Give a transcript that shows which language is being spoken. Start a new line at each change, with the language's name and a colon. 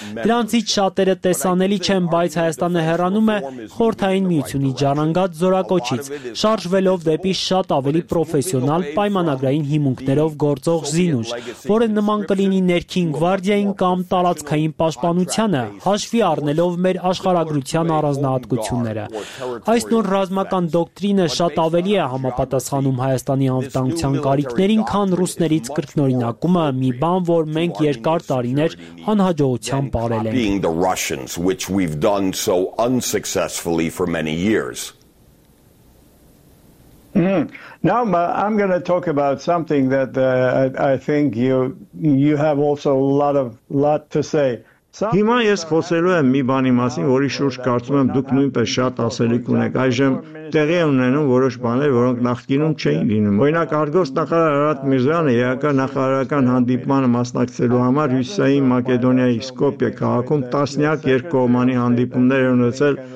Armenian: Դրանցից շատերը տեսանելի են, բայց Հայաստանը հեռանում է խորթային միությունի ժառանգած զորակոչից, շարժվելով դեպի շատ ավելի պրոֆեսիոնալ պայմանագրային հիմունքներով գործող զինուժ, որը նման կլինի ներքին գվարդիային կամ տարածքային պաշտպանությանը, հաշվի առնելով մեր աշխարհագրության առանձնահատկությունները։ Այս նոր ռազմական դոկտրինը շատ ավելի է համապատասխանում Հայաստանի անվտանգության կարիքներին, քան ռուսներից կրկնօրինակումը, մի բան, որ մենք երկար տարիներ անհաջողությամբ բարել ենք,
English: which we've done so unsuccessfully for many years. Now I'm going to talk about something that I think you have also a lot to say.
Armenian: Հիմա ես խոսելու եմ մի բանի մասին, որի շուրջ կարծում եմ դուք նույնպես շատ ասելիք ունեք։ Այժմ տեղի են ունենում որոշ բաներ, որոնք նախկինում չէին լինում։ Օրինակ, արտգործնախարար Արադ Միրզյանը ԵԱԿ-ի նախարարական հանդիպմանը մասնակցելու համար Հյուսիսային Մակեդոնիայի Սկոպիե քաղաքում տասնյակ երկկողմանի հանդիպումներ ունեցել